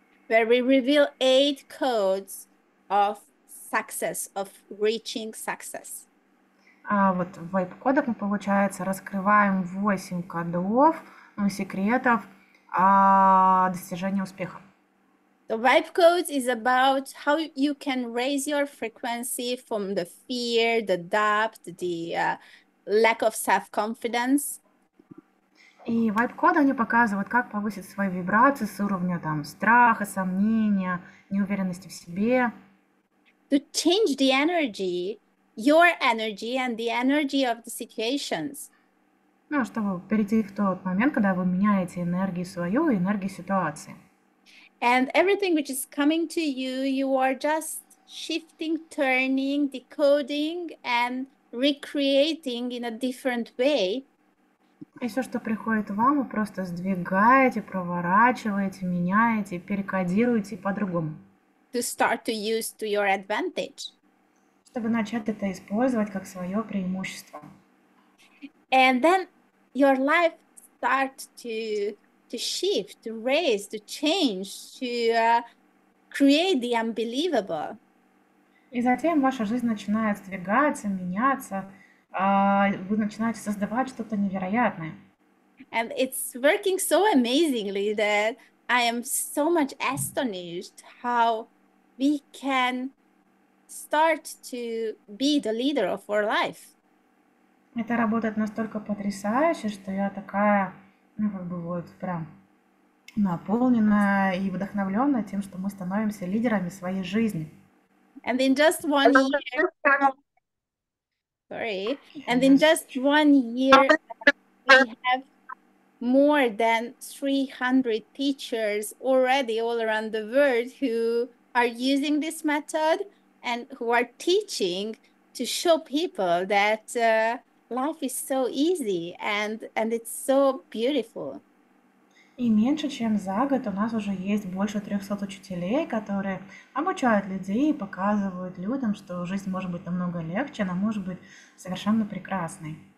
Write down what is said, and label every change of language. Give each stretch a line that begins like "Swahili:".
English: Where we reveal eight codes of success, of reaching success.
Russian: А вот в вайб-кодах мы, получается, раскрываем 8 кодов, ну, секретов достижения успеха.
English: The vibe codes is about how you can raise your frequency from the fear, the doubt, the lack of self-confidence.
Russian: И вайб-коды они показывают, как повысить свои вибрации с уровня там страха, сомнения, неуверенности в себе.
English: To change the energy, your energy and the energy of the situations.
Russian: Ну, чтобы перейти в тот момент, когда вы меняете энергию свою и энергию ситуации.
English: And everything which is coming to you are just shifting, turning, decoding and recreating in a different way.
Russian: И все, что приходит вам, вы просто сдвигаете, проворачиваете, меняете, перекодируете по-другому.
English: To start to use to your advantage.
Russian: Чтобы начать это использовать как свое преимущество.
English: And then your life start to shift, to raise, to change, to create the unbelievable.
Russian: И затем ваша жизнь начинает сдвигаться, меняться, вы начинаете создавать что-то невероятное.
English: And it's working so amazingly that I am so much astonished how we can start to be the leader of our life.
Russian: Это работает настолько потрясающе, что я такая, ну, как бы вот прям наполненная и вдохновленная тем, что мы становимся лидерами своей жизни.
English: And in just 1 year, sorry, and in just 1 year, we have more than 300 teachers already all around the world who are using this method and who are teaching to show people that life is so easy and it's so beautiful.
Russian: И меньше чем за год у нас уже есть больше 300 учителей, которые обучают людей и показывают людям, что жизнь может быть намного легче, она может быть совершенно прекрасной.